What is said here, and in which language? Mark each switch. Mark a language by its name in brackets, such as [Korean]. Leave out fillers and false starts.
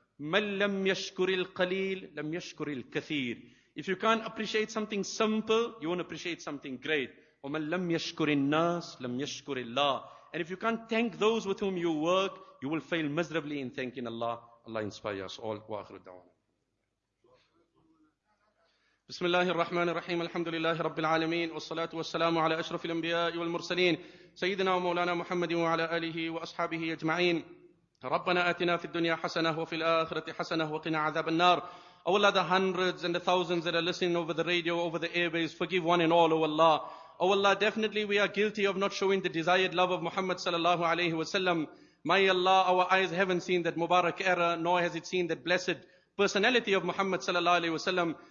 [Arabic] مَنْ لَمْ يَشْكُرِ الْقَلِيلِ لَمْ يَشْكُرِ الْكَثِيرِ. [English] If you can't appreciate something simple, you won't appreciate something great. [Arabic] وَمَنْ لَمْ يَشْكُرِ النَّاسِ لَمْ يَشْكُرِ اللَّهِ. [English] And if you can't thank those with whom you work, you will fail miserably in thanking Allah. Allah inspire us all. [Arabic] وَآخِرُ الدَّعْوَانَ. بسم الله الرحمن الرحيم الحمد لله رب العالمين والصلاة والسلام على أشرف الأنبياء والمرسلين سيدنا ومولانا محمد وعلى آله وأصحابه أجمعين. ربنا آتنا في الدنيا حسنة وفي الآخرة حسنة وقنا عذاب النار. [English] O Allah, the hundreds and the thousands that are listening over the radio, over the airways, forgive one and all, O Allah. O Allah, definitely we are guilty of not showing the desired love of Muhammad sallallahu alayhi wa sallam. May Allah, our eyes haven't seen that Mubarak era, nor has it seen that blessed personality of Muhammad sallallahu alayhi wa sallam.